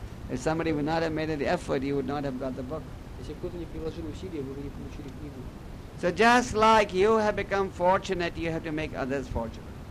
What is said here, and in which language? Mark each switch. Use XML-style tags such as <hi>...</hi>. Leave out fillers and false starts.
<en>If somebody would not have made an effort, you would not have got the book.</en> <ru>Если кто-то не приложил усилия, вы бы не получили книгу.</ru> <en>So just like you have become fortunate, you have to make others fortunate.</en>